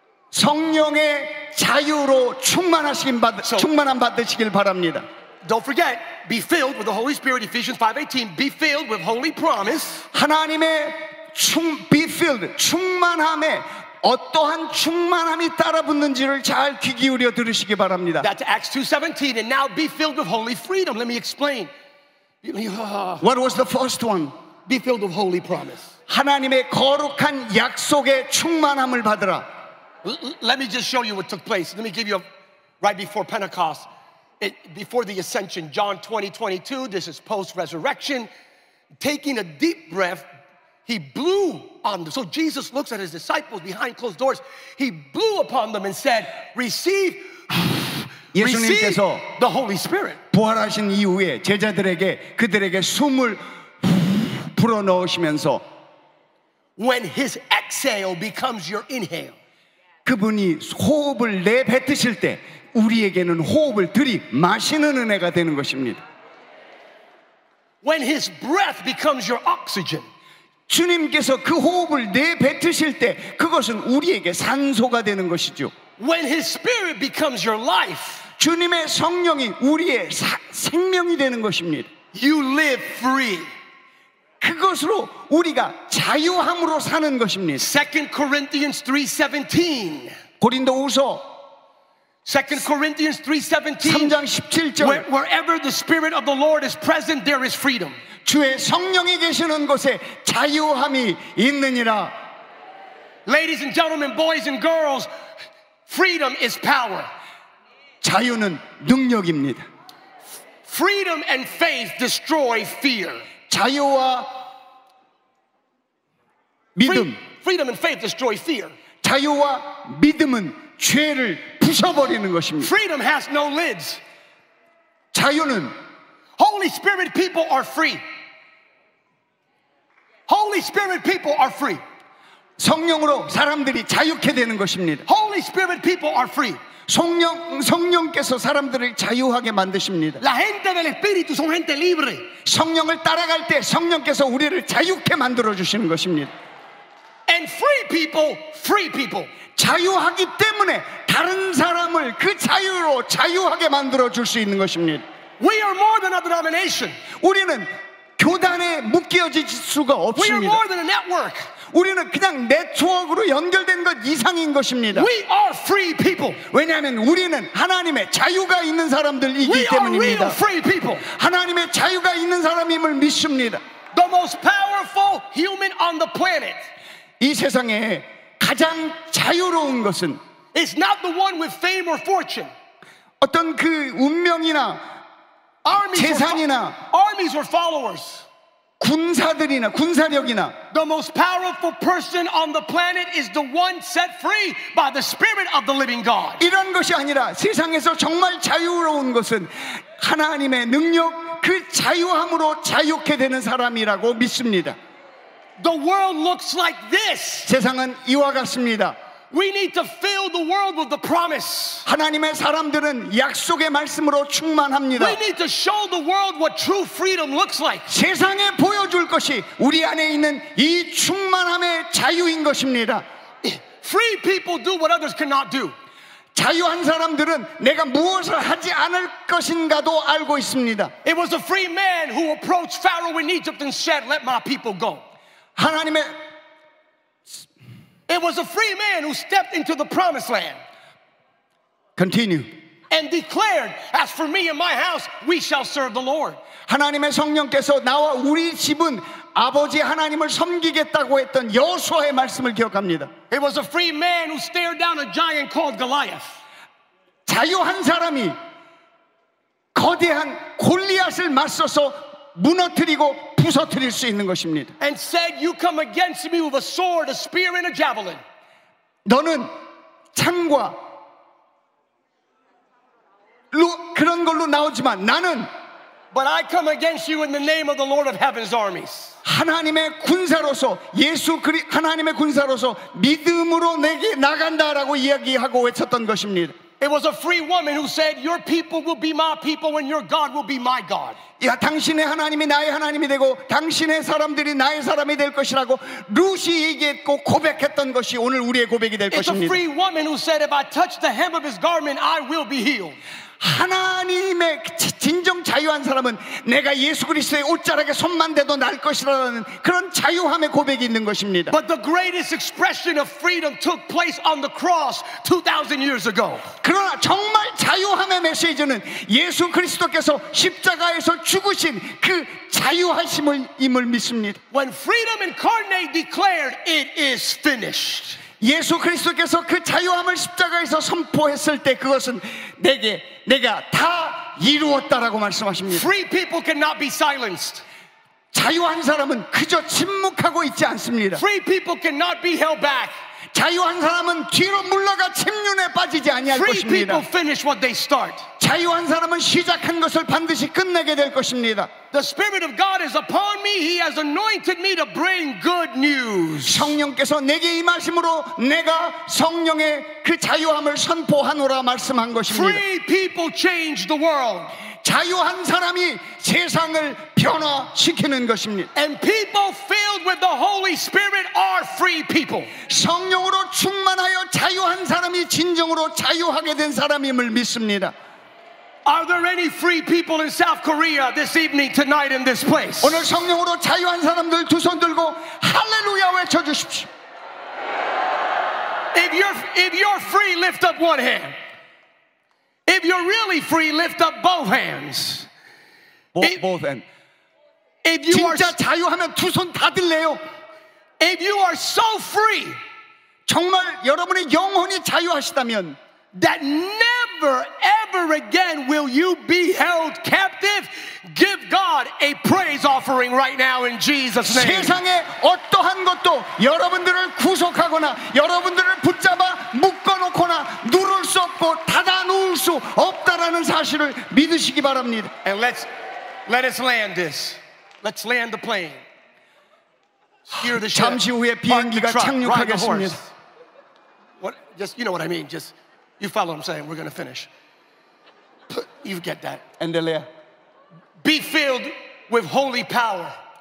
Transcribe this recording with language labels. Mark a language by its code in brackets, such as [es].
[ko] 성령의 자유로 충만함 받으시길 바랍니다. [en] Don't forget, be filled with the Holy Spirit. Ephesians 5:18. Be filled with holy promise. [ko] 하나님의 [en] be filled [ko] 충만함에 어떠한 충만함이 따라붙는지를 잘 귀 기울여 들으시기 바랍니다. [en] That's Acts 2:17. And now be filled with holy freedom. Let me explain. What was the first one? Be filled with holy promise. [ko] 하나님의 거룩한 약속의 충만함을 받으라. [en] Let me just show you what took place. Let me give you right before Pentecost, before the ascension, John 20:22. This is post-resurrection. Taking a deep breath, he blew on them. So Jesus looks at his disciples behind closed doors. He blew upon them and said, "Receive." [ko] 예수님께서 [en] the Holy Spirit. [ko] 부활하신 이후에 제자들에게 그들에게 숨을 불어넣으시면서 [en] when his exhale becomes your inhale. [ko] 그분이 호흡을 내뱉으실 때 우리에게는 호흡을 들이마시는 은혜가 되는 것입니다. [en] When his breath becomes your oxygen. [ko] 주님께서 그 호흡을 내뱉으실 때 그것은 우리에게 산소가 되는 것이죠. [en] When his spirit becomes your life. [ko] 주님의 성령이 우리의 생명이 되는 것입니다. [en] You live free. [ko] 그것으로 우리가 자유함으로 사는 것입니다. [en] 2 Corinthians 3:17. [ko] 고린도후서 [en] 2 Corinthians 3:17. [ko] 3장 17절. [en] Wherever the spirit of the Lord is present there is freedom. [ko] 주의 성령이 계시는 곳에 자유함이 있느니라. [en] Ladies and gentlemen, boys and girls, freedom is power. [ko] 자유는 능력입니다. [en] Freedom and faith destroy fear. [ko] 자유와 믿음. [en] Freedom and faith destroy fear. [ko] 자유와 믿음은 죄를 부숴버리는 것입니다. [en] Freedom has no lids. [ko] 자유는 [en] Holy Spirit people are free. Holy Spirit people are free. [ko] 성령으로 사람들이 자유케 되는 것입니다. [en] Holy Spirit people are free. [ko] 성령께서 사람들을 자유하게 만드십니다. [es] La gente del espíritu son gente libre. [ko] 성령을 따라갈 때 성령께서 우리를 자유케 만들어 주시는 것입니다. [en] And free people, free people. [ko] 자유하기 때문에 다른 사람을 그 자유로 자유하게 만들어 줄 수 있는 것입니다. [en] We are more than a denomination. [ko] 우리는 교단에 묶여질 수가 없습니다. [en] We are more than a network. [ko] 우리는 그냥 네트워크로 연결된 것 이상인 것입니다. [en] We are free people. [ko] 왜냐하면 우리는 하나님의 자유가 있는 사람들이기 때문입니다. [en] We are real free people. [ko] 하나님의 자유가 있는 사람임을 믿습니다. [en] The most powerful human on the planet. [ko] 이 세상에 가장 자유로운 것은 [en] It's not the one with fame or fortune. [ko] 어떤 그 운명이나 [en] armies [ko] 재산이나 [en] armies or followers. [ko] 군사들이나 군사력이나 [en] The most powerful person on the planet is the one set free by the spirit of the living God. [ko] 이런 것이 아니라 세상에서 정말 자유로운 것은 하나님의 능력 그 자유함으로 자유케 되는 사람이라고 믿습니다. [en] The world looks like this. [ko] 세상은 이와 같습니다. [en] We need to fill the world with the promise. [ko] 하나님의 사람들은 약속의 말씀으로 충만합니다. [en] We need to show the world what true freedom looks like. [ko] 세상에 보여줄 것이 우리 안에 있는 이 충만함의 자유인 것입니다. [en] Free people do what others cannot do. [ko] 자유한 사람들은 내가 무엇을 하지 않을 것인가도 알고 있습니다. [en] It was a free man who approached Pharaoh in Egypt and said, "Let my people go." [ko] 하나님의 [en] It was a free man who stepped into the promised land. Continue. And declared, as for me and my house, we shall serve the Lord. [ko] 하나님의 성령께서 나와 우리 집은 아버지 하나님을 섬기겠다고 했던 여호수아의 말씀을 기억합니다. [en] It was a free man who stared down a giant called Goliath. [ko] 자유한 사람이 거대한 골리앗을 맞서서 무너뜨리고 부서뜨릴 수 있는 것입니다. [en] And said, "You come against me with a sword, a spear, and a javelin." [ko] 너는 창과 그런 걸로 나오지만 나는 [en] But I come against you in the name of the Lord of Heaven's armies. [ko] 하나님의 군사로서 예수 그리스도 하나님의 군사로서 믿음으로 내게 나간다라고 이야기하고 외쳤던 것입니다. [en] It was a free woman who said, "Your people will be my people, and your God will be my God." [ko] 야, 당신의 하나님이 나의 하나님이 되고 당신의 사람들이 나의 사람이 될 것이라고 루시 얘기했고 고백했던 것이 오늘 우리의 고백이 될 [en] It's [ko] 것입니다. [en] It's a free woman who said, "If I touch the hem of His garment, I will be healed." [ko] 하나님의 진정 자유한 사람은 내가 예수 그리스도의 옷자락에 손만 대도 날 것이라는 그런 자유함의 고백이 있는 것입니다. [en] But the greatest expression of freedom took place on the cross 2000 years ago. [ko] 그러나 정말 자유함의 메시지는 예수 그리스도께서 십자가에서 죽으신 그 자유하심임을 믿습니다. [en] When freedom incarnate declared, "It is finished." [ko] 예수 그리스도께서 그 자유함을 십자가에서 선포했을 때 그것은 내게 내가 다 이루었다라고 말씀하십니다. [en] Free people cannot be silenced. [ko] 자유한 사람은 그저 침묵하고 있지 않습니다. [en] Free people cannot be held back. [ko] 자유한 사람은 뒤로 물러가 침륜에 빠지지 아니할 [en] Free [ko] 것입니다. [en] Free people finish what they start. [ko] 자유한 사람은 시작한 것을 반드시 끝내게 될 것입니다. [en] The Spirit of God is upon me. He has anointed me to bring good news. [ko] 성령께서 내게 임하심으로 내가 성령의 그 자유함을 선포하노라 말씀한 것입니다. [en] Free people change the world. [ko] 자유한 사람이 세상을 변화시키는 것입니다. [en] And people filled with the Holy Spirit are free people. [ko] 성령으로 충만하여 자유한 사람이 진정으로 자유하게 된 사람임을 믿습니다. [en] Are there any free people in South Korea this evening, tonight, in this place? [ko] 오늘 성령으로 자유한 사람들 두 손 들고 할렐루야 외쳐 주십시오. [en] If you're free, lift up one hand. If you're really free, lift up both hands. Both hands. If you [ko] 진짜 [en] are [ko] 자유하면 두 손 다 들래요. [en] If you are so free, [ko] 정말 여러분의 영혼이 자유하시다면 [en] that never ever again will you be held captive. Give God a praise offering right now in Jesus' name. [ko] 세상에 어떠한 것도 여러분들을 구속하거나 여러분들을 붙잡아 묶어놓거나 누를 수 없고 닫아 놓을 수 없다라는 사실을 믿으시기 바랍니다. [en] And let us land this. Let's land the plane. Steer the ship. [ko] 잠시 후에 비행기가 착륙하겠습니다. [en] What? Just you know what I mean. Just. You follow what I'm saying? We're going to finish. You get that. And Elia. Be filled with holy power.